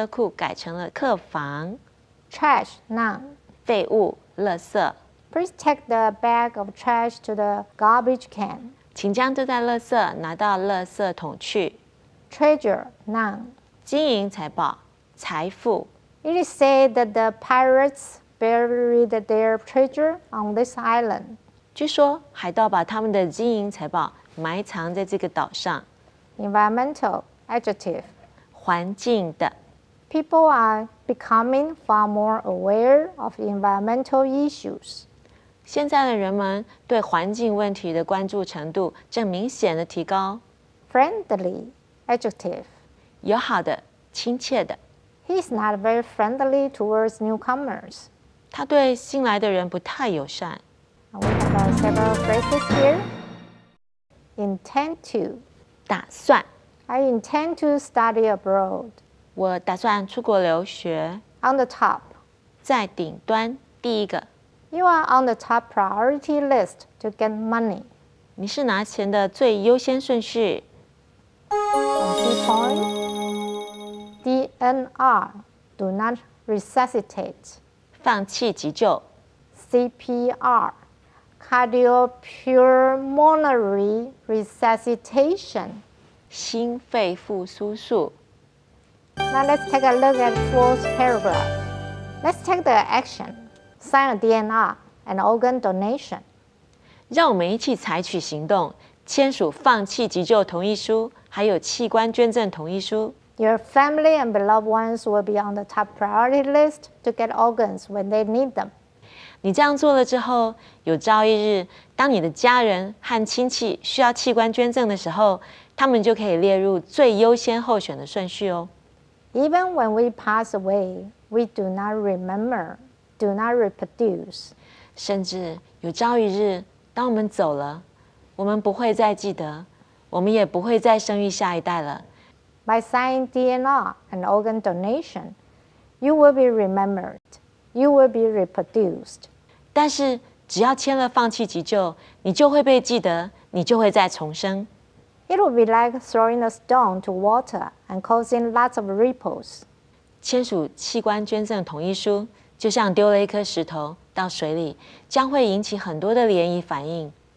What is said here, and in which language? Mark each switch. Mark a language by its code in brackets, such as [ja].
[zh] 格雷格一家把他们的车库改成了客房. [en] Trash, noun. [zh] 废物, 垃圾. [en] Please take the bag of trash to the garbage can. [zh] 请将这袋垃圾拿到垃圾桶去. [en] Treasure, noun. [zh] 金银财宝, 财富. [en] It is said that the pirates buried their treasure on this island. [zh] 据说海盗把他们的金银财宝埋藏在这个岛上。 [en] Environmental adjective. [zh] 环境的。 [en] People are becoming far more aware of environmental issues. [zh] 现在的人们对环境问题的关注程度正明显的提高。 [en] Friendly adjective. [zh] 友好的，亲切的。 [en] He is not very friendly towards newcomers. [zh] 他对新来的人不太友善。 [en] We have several phrases here. Intend to. [zh] 打算。 [en] I intend to study abroad. [zh] 我打算出国留学。 [en] On the top. [zh] 在顶端，第一个。 [en] You are on the top priority list to get money. [zh] 你是拿钱的最优先顺序。 [en] DNR, do not resuscitate. [zh] 放弃急救。 [en] CPR, cardiopulmonary resuscitation. [zh] 心肺复苏术。 [en] Now let's take a look at the fourth paragraph. Let's take the action. Sign a DNR, an organ donation. [zh] 让我们一起采取行动，签署放弃急救同意书，还有器官捐赠同意书。 [en] Your family and beloved ones will be on the top priority list to get organs when they need them. [zh] 你这样做了之后，有朝一日，当你的家人和亲戚需要器官捐赠的时候，他们就可以列入最优先候选的顺序哦。 [en] Even when we pass away, we do not remember, do not reproduce. [zh] 甚至有朝一日，当我们走了，我们不会再记得，我们也不会再生育下一代了。 [en] By signing DNR, an organ donation, you will be remembered. You will be reproduced. [zh] 但是只要签了放弃急救，你就会被记得，你就会再重生。 [en] It will be like throwing a stone to water and causing lots of ripples. [zh] 签署器官捐赠同意书，就像丢了一颗石头到水里，将会引起很多的涟漪反应。